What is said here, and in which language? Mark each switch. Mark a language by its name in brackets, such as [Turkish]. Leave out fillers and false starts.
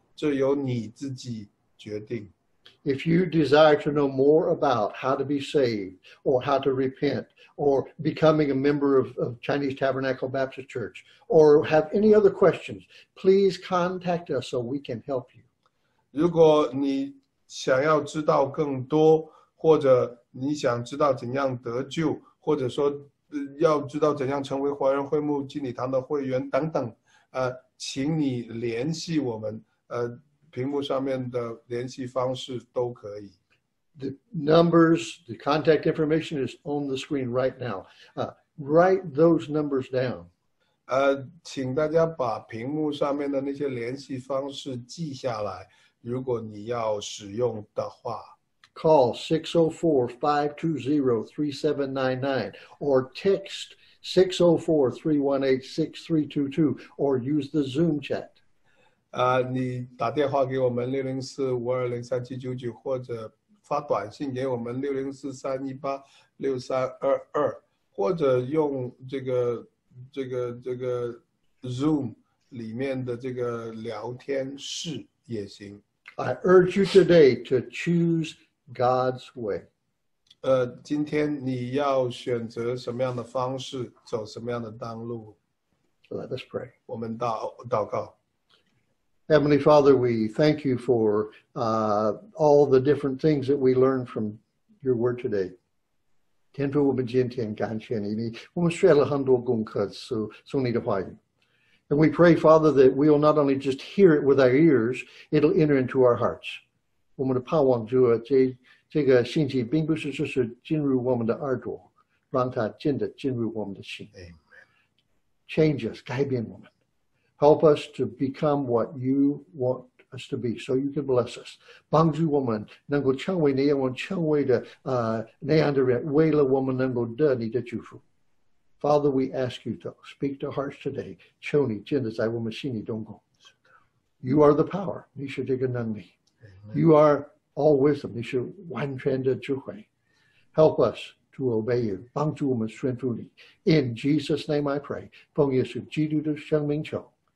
[Chinese] 这由你自己决定。 [English] If you desire to know more about how to be saved, or how to repent, or becoming a member of Chinese Tabernacle Baptist Church, or have any other questions, please contact us so we can help you. [Chinese] 如果你想要知道更多，或者你想知道怎样得救，或者说要知道怎样成为华人会幕敬礼堂的会员等等，请你联系我们，屏幕上面的联系方式都可以。 [English] The numbers, the contact information is on the screen right now. Write those numbers down. [Chinese] 请大家把屏幕上面的那些联系方式记下来，如果你要使用的话。 [English] Call 604-520-3799 or text 604-318-6322 or use the Zoom chat. [Chinese] 你打电话给我们604-520-3799，或者发短信给我们604-318-6322，或者用这个 Zoom 里面的这个聊天室也行。 [English] I urge you today to choose God's way. [Chinese] 今天你要选择什么样的方式，走什么样的道路 [English] ？Let us pray. [Chinese] 我们祷告。 [English] Heavenly Father, we thank you for all the different things that we learned from your word today. [Chinese] 天父，我们今天感谢你，我们学了很多功课，从你的话语。 [English] And we pray, Father, that we will not only just hear it with our ears, it'll enter into our hearts. [Chinese] 我们的盼望主啊，这个信息并不是只是进入我们的耳朵，让它真的进入我们的心。 [English] Amen. Change us, [Chinese] 改变我们。 [English] Help us to become what you want us to be, so you can bless us. [Chinese] 帮助我们能够成为那样，我们成为的那样的人，为了我们能够得你的祝福。 [English] Father, we ask you to speak to hearts today. [Chinese] 求你真的在我们心里动工。 [English] You are the power, [Chinese] 你是这个能力。 [English] You are all wisdom, [Chinese] 你是完全的智慧。 [English] Help us to obey you. [Chinese] 帮助我们顺服你。 [English] In Jesus' name, I pray. [Chinese] 奉耶稣基督的圣名求。